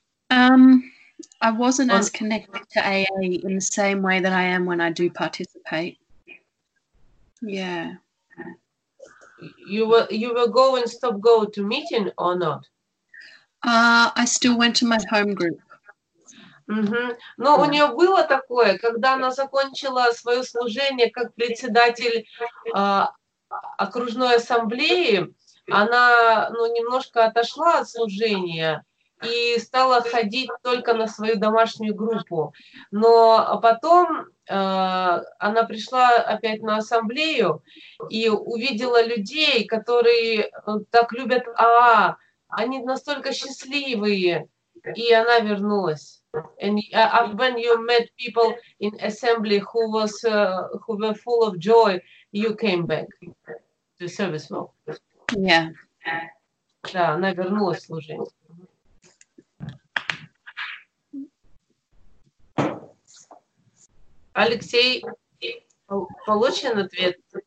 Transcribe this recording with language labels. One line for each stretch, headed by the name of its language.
English: I wasn't as connected to AA in the same way that I am when I do participate. Yeah. You were going stop go to meeting or not? I still went to my home group. Угу.
Russian: Но у нее было такое, когда она закончила свое служение как председатель окружной ассамблеи, она, ну, немножко отошла от служения и стала ходить только на свою домашнюю группу. Но потом она пришла опять на ассамблею и увидела людей, которые так любят АА, они настолько счастливые, и она вернулась.
English: And when you met people in assembly who was who were full of joy, you came back to service work. Yeah.
Russian: Да, она вернулась служить. Алексей, получен ответ?